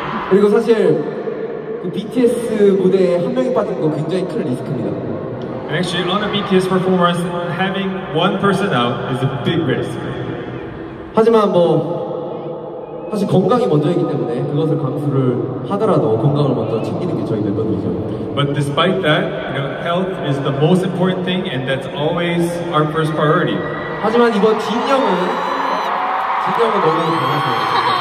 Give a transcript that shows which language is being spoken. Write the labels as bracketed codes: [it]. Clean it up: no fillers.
[ko] 그리고 사실 BTS 무대에 한 명이 빠지는 거 굉장히 큰 리스크입니다. [en] Actually, on a BTS performance, having one person out is a big risk. [ko] 하지만 뭐 사실 건강이 먼저이기 때문에 그것을 감수를 하더라도 건강을 먼저 챙기는 게 저희 멤버들이죠. [en] But despite that, you know, health is the most important thing, and that's always our first priority. [ko] 하지만 이번 진영은 너무 강하세요.